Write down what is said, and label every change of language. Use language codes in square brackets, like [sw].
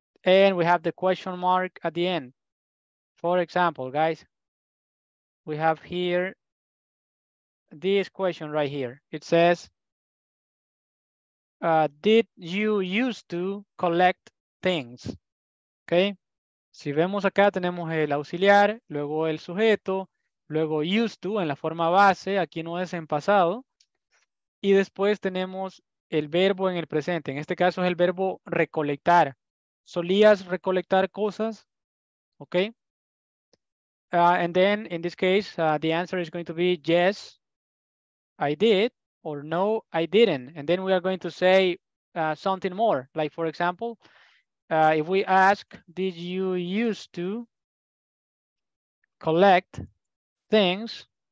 [en] And we have the question mark at the end. For example, guys, we have here this question right here. It says, did you used to collect things? [es] Okay? Si vemos acá, tenemos el auxiliar, luego el sujeto, luego used to en la forma base, aquí no es en pasado, y después tenemos el verbo en el presente, en este caso es el verbo recolectar. ¿Solías recolectar cosas? Ok. [en] And then, in this case, the answer is going to be yes, I did, or no, I didn't. And then we are going to say something more. Like, for example, if we ask, did you used to collect things?